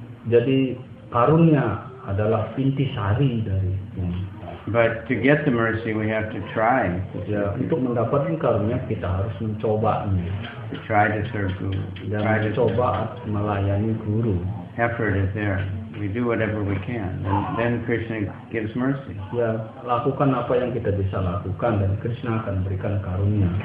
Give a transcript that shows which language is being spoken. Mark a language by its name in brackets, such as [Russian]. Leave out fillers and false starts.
[Indonesian] Jadi karunia adalah intisari dari. [English] But to get the mercy, we have to try. [Indonesian] Ya, untuk mendapatkan karunia kita harus mencobanya. [English] Try to serve guru. [Indonesian] Dan mencoba melayani guru. [English] Effort is there. We do whatever we can, and then Krishna gives mercy. [Indonesian] Ya, lakukan apa yang kita bisa lakukan, dan Krishna akan berikan karunia.